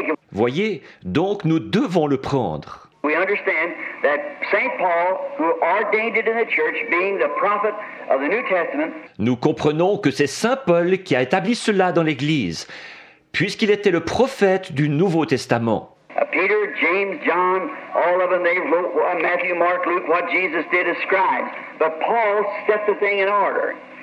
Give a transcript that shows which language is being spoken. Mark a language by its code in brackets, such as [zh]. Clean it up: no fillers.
[fr] Voyez, donc nous devons le prendre. [en] We understand that Saint Paul, who ordained it in the church, being the prophet of the New Testament. [fr] Nous comprenons que c'est Saint Paul qui a établi cela dans l'Église, puisqu'il était le prophète du Nouveau Testament. [en] Peter, James, John, all of them, they wrote Matthew, Mark, Luke, what Jesus did as scribes. But Paul set the thing in order.